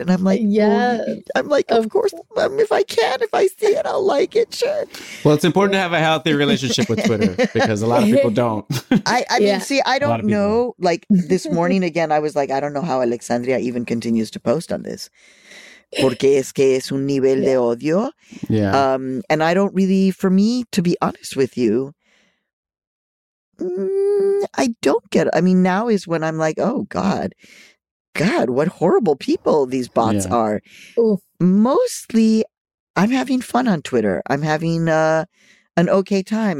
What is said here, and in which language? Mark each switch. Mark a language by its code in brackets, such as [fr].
[en] And I'm like, I'm like, of course, if I see it, I'll like it. Sure. Well, it's important to have a healthy relationship with Twitter because a lot of people don't. I mean, I don't know. Like this morning, again, I was like, I don't know how Alexandria even continues to post on this. [es] Porque es que es un nivel de odio. [en] Yeah. And I don't really, for me, to be honest with you, I don't get it. I mean, now is when I'm like, oh, God, what horrible people these bots are. Oof. Mostly, I'm having fun on Twitter. I'm having an okay time.